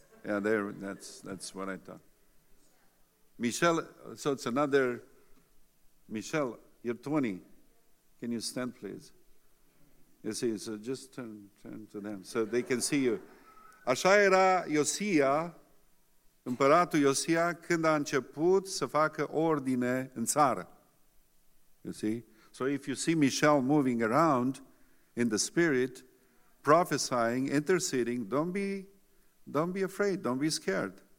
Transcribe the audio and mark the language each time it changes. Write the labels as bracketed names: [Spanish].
[English] Yeah, there, that's what I thought. Michel, so it's another... Michel, you're 20. Can you stand, please? You see, so just turn to them so they can see you. [Romanian] Așa era Iosia, împăratul Iosia, când a început să facă ordine în țară. [English] You see? So if you see Michel moving around in the spirit, prophesying, interceding, don't be Don't be afraid, don't be scared.